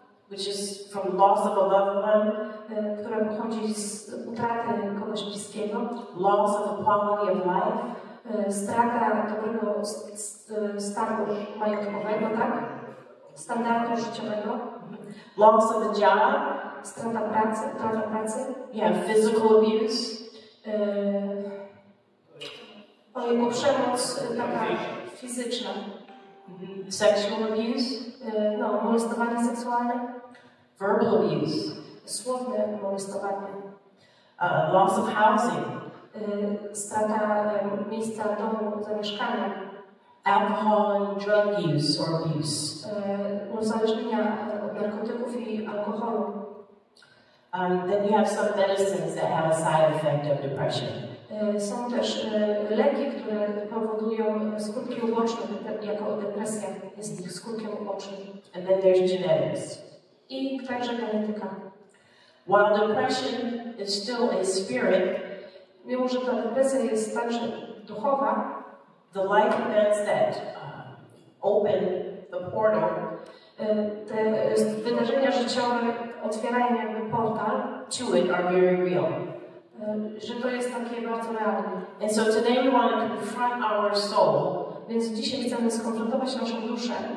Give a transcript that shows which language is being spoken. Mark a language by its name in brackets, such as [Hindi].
[English] which is from loss of a loved one, [Polish] która pochodzi z utraty kogoś bliskiego. [English] Loss of the quality of life. [Polish] Strata dobrego stanu majątkowego, tak? Standardu życiowego. [English] Loss of the job. [Polish] Strata pracy. Utrata pracy. [English] Yeah, physical abuse. [Polish] Albo przemoc taka fizyczna. [English] Sexual abuse. [Polish] Molestowanie seksualne. [English] Verbal abuse. [Polish] Słowne molestowanie. [English] Loss of housing. [Polish] Strata miejsca do zamieszkania. [English] Alcohol and drug use or abuse. [Polish] Uzależnienia od narkotyków i alkoholu. [English] Then you have some medicines that have a side effect of depression. [Polish] Są też leki, które powodują skutki uboczne, jako depresja jest ich skutkiem ubocznym. [English] And then there's genetics. [Polish] I także genetyka. [English] While depression is still a spirit, [Polish] mimo że ta depresja jest także duchowa, [English] the life events that open the portal, [Polish] te wydarzenia życiowe otwierają jakby portal, [English] to it are very real. [Polish] Że to jest takie bardzo realne. [English] And so today we want to confront our soul. [Polish] Więc dzisiaj chcemy skonfrontować naszą duszę.